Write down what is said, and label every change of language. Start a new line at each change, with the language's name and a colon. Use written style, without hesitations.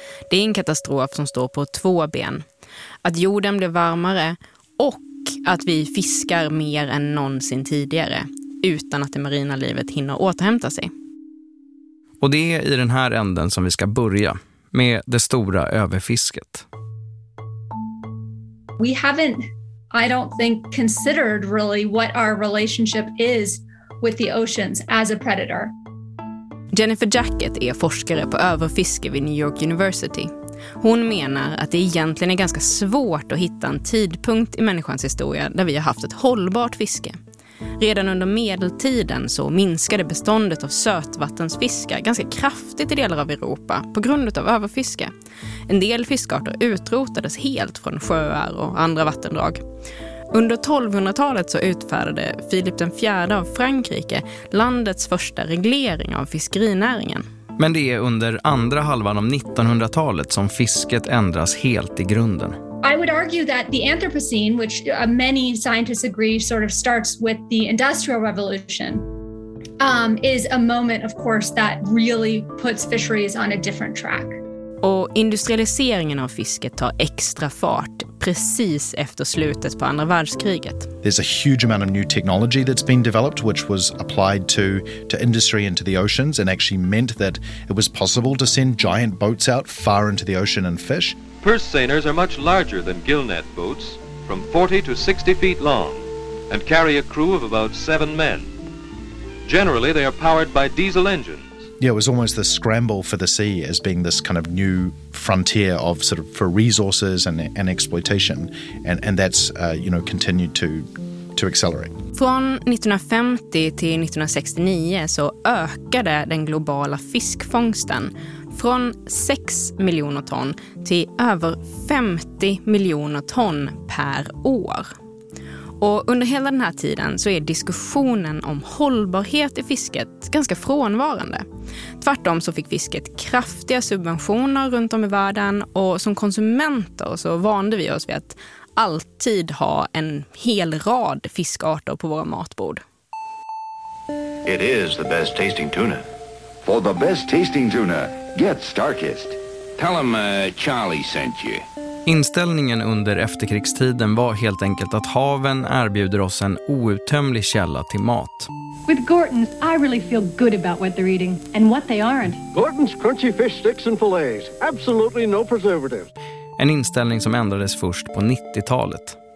Swedish: Det är en katastrof som står på två ben. Att jorden blir varmare och att vi fiskar mer än någonsin tidigare utan att det marina livet hinner återhämta sig. Och det är i den här änden som vi ska börja med det stora överfisket.
English: We haven't, I don't think, considered really what our relationship is with the oceans as a predator.
Swedish: Jennifer Jacket är forskare på överfiske vid New York University. Hon menar att det egentligen är ganska svårt att hitta en tidpunkt i människans historia där vi har haft ett hållbart fiske. Redan under medeltiden så minskade beståndet av sötvattensfiskar ganska kraftigt i delar av Europa på grund av överfiske. En del fiskarter utrotades helt från sjöar och andra vattendrag. Under 1200-talet så utfärdade Filip den fjärde av Frankrike landets första reglering av fiskerinäringen. Men det är under andra halvan av 1900-talet som fisket ändras helt i grunden.
English: I would argue that the Anthropocene, which many scientists agree sort of starts with the Industrial Revolution, is a moment, of course, that really puts fisheries on a different track.
Swedish: Och industrialiseringen av fisket tar extra fart precis efter slutet på andra världskriget.
English: There's a huge amount of new technology that's been developed, which was applied to industry and to the oceans, and actually meant that it was possible to send giant boats out far into the ocean and fish. Purse seiners are much larger than gillnet boats, from 40 to 60 feet long, and carry a crew of about 7 men. Generally, they are powered by diesel engines. Yeah, it was almost the scramble for the sea as being this kind of new frontier of sort of for resources and exploitation, and that's you know continued to accelerate.
Swedish: Från 1950 till 1969 så ökade den globala fiskfångsten från 6 miljoner ton till över 50 miljoner ton per år. Och under hela den här tiden så är diskussionen om hållbarhet i fisket ganska frånvarande. Tvärtom så fick fisket kraftiga subventioner runt om i världen, och som konsumenter så vande vi oss vid att alltid ha en hel rad fiskarter på våra matbord.
English: It is the best tasting tuna. For the best tasting tuna, get Starkist. Tell him Charlie sent you.
Swedish: Inställningen under efterkrigstiden var helt enkelt att haven erbjuder oss en outtömlig källa till mat.
English: With Gorton's, I really feel good about what they're eating and what they aren't. Gorton's crunchy fish sticks and fillets, absolutely no preservatives.
Swedish: En inställning som ändrades först på 90-talet.